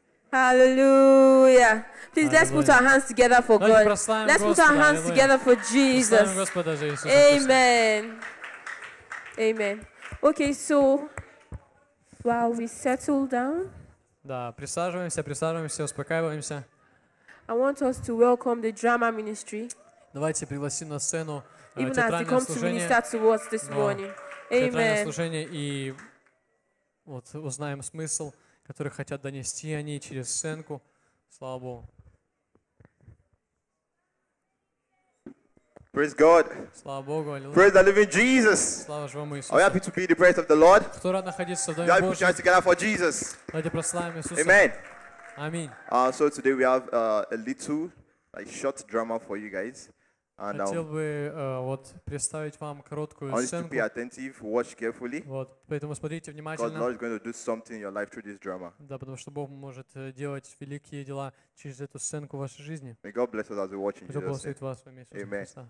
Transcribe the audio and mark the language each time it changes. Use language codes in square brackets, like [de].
[en] Hallelujah. Please, Hallelujah. Let's put our hands together for God. Let's [ru] Господа, [en] put our hands Hallelujah. Together for Jesus. [ru] Господа, Jesus. [en] Amen. Amen. Okay, so while we settle down. [ru] Да, присаживаемся, успокаиваемся. [en] I want us to welcome the drama ministry. [ru] Давайте пригласим на сцену [en] Even [ru] театральное [en] as they come [ru] служение. [en] To minister to us this morning. Amen. [ru] Служение и вот узнаем смысл. Которые хотят донести они через сценку. Слава Богу. [en] Praise God. [ru] Слава Богу. [en] Praise the living Jesus. [ru] Слава живому Иисусу. [en] Are you happy to be the praise of the Lord? [ru] Кто рад находиться в Доме Божьем? [en] Put your hands together for Jesus. [ru] Давайте прославим Иисуса. [en] Amen. Amen. So today we have a little, like, short drama for you guys. [ru] And хотел бы вот представить вам короткую сценку. [en] I want you to be attentive, watch carefully. [ru] Вот, поэтому смотрите внимательно. [en] Because God is going to do something in your life through this drama. [ru] Да, потому что Бог может делать великие дела через эту сценку в вашей жизни. [en] May God bless us as we watch in Jesus' name. [ru] Пусть Бог благословит вас во имя Иисуса Христа.